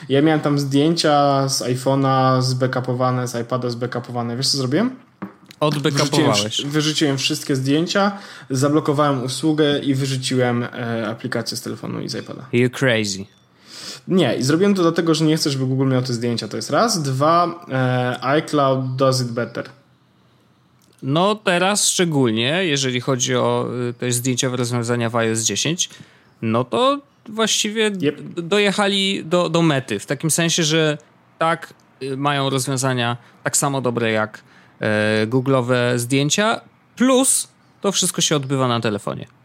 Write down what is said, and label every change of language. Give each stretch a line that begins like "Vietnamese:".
Polish: Ja miałem tam zdjęcia z iPhone'a zbackupowane, z iPada zbackupowane. Wiesz, co zrobiłem? Odbackupowałeś. Wyrzuciłem wszystkie zdjęcia, zablokowałem usługę i wyrzuciłem aplikację z telefonu i z iPada.
English: You're crazy.
Polish: Nie, i zrobiłem to dlatego, że nie chcesz, żeby Google miał te zdjęcia. To jest raz. Dwa,
English: iCloud does it better.
Polish: No teraz szczególnie, jeżeli chodzi o te zdjęcia w rozwiązania w iOS 10, no to właściwie yep. Dojechali do mety. W takim sensie, że tak mają rozwiązania tak samo dobre jak Google'owe zdjęcia, plus to wszystko się odbywa na telefonie.